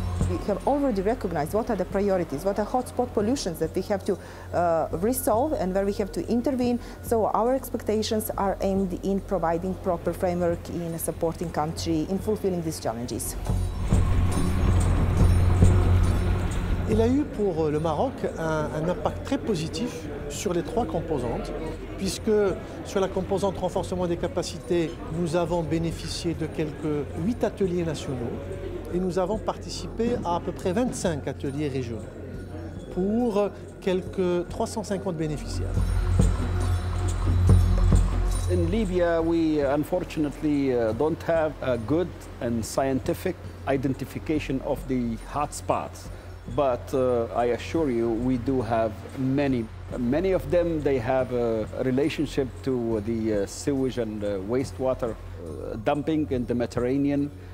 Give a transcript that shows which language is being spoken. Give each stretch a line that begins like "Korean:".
English: We have already recognized what are the priorities, what are hotspot pollutions that we have to resolve and where we have to intervene. So our expectations are aimed in providing proper framework in a supporting country in fulfilling these challenges.
French: Il a eu pour le Maroc un impact très positif sur les trois composantes, puisque sur la composante renforcement des capacités, nous avons bénéficié de quelques 8 ateliers nationaux. Et nous avons participé à peu près 25 ateliers régionaux pour quelques 350 bénéficiaires.
English: In Libya, we unfortunately don't have a good and scientific identification of the hot spots, but I assure you, we do have many. Many of them, they have a relationship to the sewage and wastewater dumping in the Mediterranean.